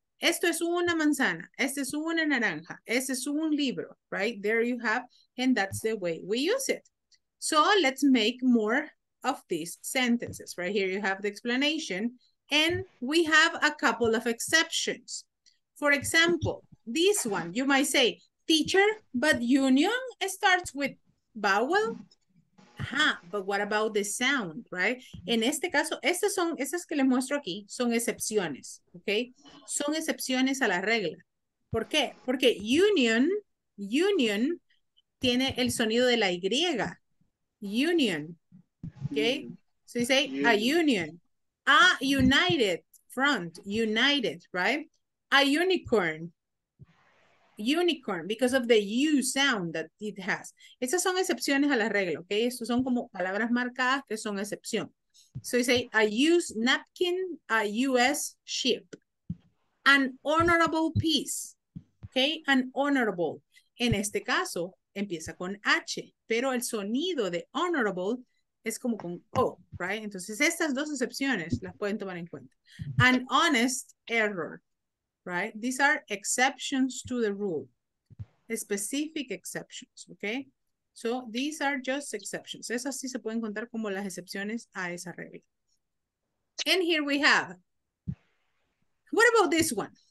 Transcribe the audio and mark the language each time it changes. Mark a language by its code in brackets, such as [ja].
[es] Esto es una manzana, esto es una naranja, esto es un libro, right? [en] There you have, and that's the way we use it. So let's make more of these sentences, right? Here you have the explanation, and we have a couple of exceptions. For example, this one, you might say, teacher, but union starts with vowel. Ajá, but what about the sound, right? [es] En este caso, estas que les muestro aquí son excepciones, okay? Son excepciones a la regla. ¿Por qué? Porque union tiene el sonido de la Y. [en] Union, okay? So you say a union. A united front, united, right? A unicorn. Unicorn, because of the U sound that it has. [es] Esas son excepciones a la regla, ¿ok? Estos son como palabras marcadas que son excepción. [en] So you say, a U.S. napkin, a U.S. ship. An honorable peace, ¿ok? An honorable. [es] En este caso, empieza con H, pero el sonido de honorable es como con O, right? Entonces, estas dos excepciones las pueden tomar en cuenta. [en] An honest error. Right? These are exceptions to the rule, specific exceptions, okay? So these are just exceptions. [es] Esas sí se pueden contar como las excepciones a esa regla. [en] And here we have, what about this one?